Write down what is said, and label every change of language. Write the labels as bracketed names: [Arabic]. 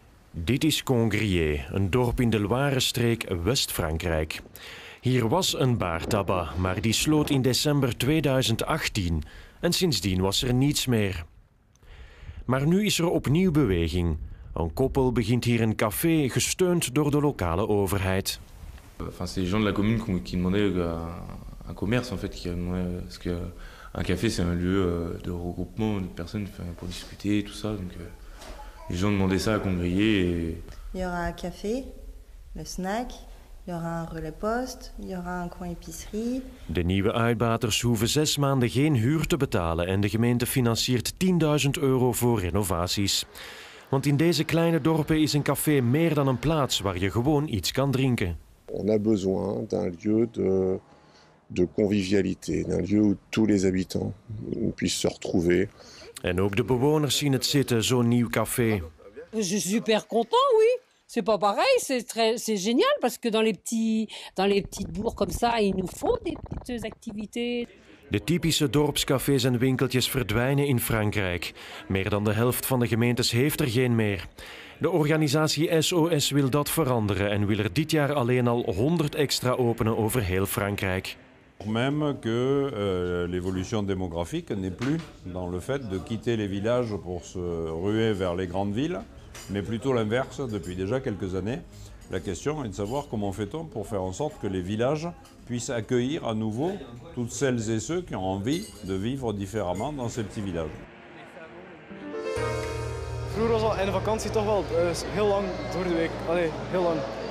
[Dutch] Dit is Congrier, een dorp in de Loire-streek West-Frankrijk. Hier was een bar-tabac, maar die sloot in december 2018. En sindsdien was er niets meer. Maar nu is er opnieuw beweging. Een koppel begint hier een café, gesteund door de lokale overheid. [French] Enfin, c'est les gens de la commune qui demandaient un commerce en fait, qui demandaient parce que un café c'est un lieu de regroupement de personnes pour discuter tout ça. Donc les gens demandaient ça à Congrier. Il y aura un café, le snack. [Dutch] De nieuwe uitbaters hoeven 6 maanden geen huur te betalen en de gemeente financiert 10.000 euro voor renovaties. Want in deze kleine dorpen is een café meer dan een plaats waar je gewoon iets kan drinken. [French] On a besoin d'un lieu de convivialité, d'un lieu où tous les habitants puissent se retrouver. [Dutch] En ook de bewoners zien het zitten, zo'n nieuw café. [French] Je suis super content, oui. C'est pas pareil, c'est génial parce que dans les petits bourgs comme ça, il nous faut des petites activités. [Dutch] De typische dorpscafés en winkeltjes verdwijnen in Frankrijk. Meer dan de helft van de gemeentes heeft er geen meer. De organisatie SOS wil dat veranderen en wil er dit jaar alleen al 100 extra openen over heel Frankrijk. [French] Même que l'évolution démographique n'est plus dans le fait de quitter les villages pour se ruer vers les grandes villes. Mais plutôt l'inverse, depuis déjà quelques années, la question est de savoir comment fait-on pour faire en sorte que les villages puissent accueillir à nouveau toutes celles et ceux qui ont envie de vivre différemment dans ces petits villages. [Dutch] Vroeger was een vakantie toch wel heel lang door de week. Allez, heel lang.